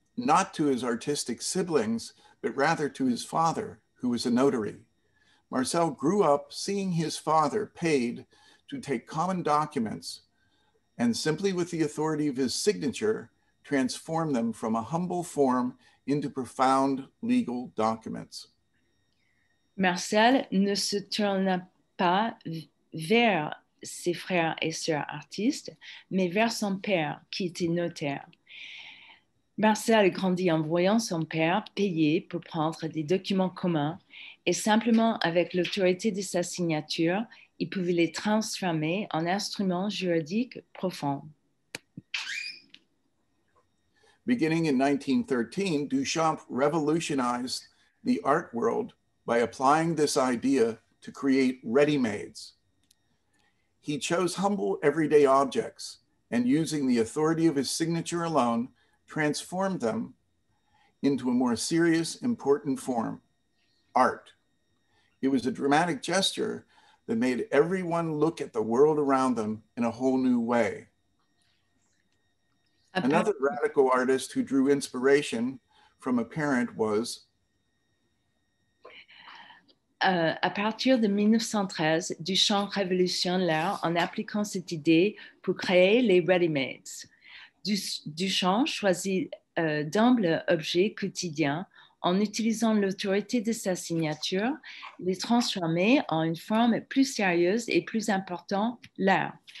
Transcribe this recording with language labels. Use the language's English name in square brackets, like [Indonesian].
[English] not to his artistic siblings, but rather to his father, who was a notary. Marcel grew up seeing his father paid to take common documents and simply with the authority of his signature, transform them from a humble form into profound legal documents. [French] Marcel ne se tourna pas vers ses frères et sœurs artistes, mais vers son père qui était notaire. Marcel grandit en voyant son père payer pour prendre des documents communs et simplement avec l'autorité de sa signature, il pouvait les transformer en instruments juridiques profonds. [English] Beginning in 1913, Duchamp revolutionized the art world by applying this idea to create ready-mades. He chose humble everyday objects and using the authority of his signature alone, transformed them into a more serious, important form, art. It was a dramatic gesture that made everyone look at the world around them in a whole new way. Another radical artist who drew inspiration from a parent was [French] À partir de 1913, Duchamp révolutionne l'art en appliquant cette idée pour créer les ready-mades. Duchamp choisit d'humbles objets quotidiens en utilisant l'autorité de sa signature, les transformer en une forme plus sérieuse et plus importante, l'art.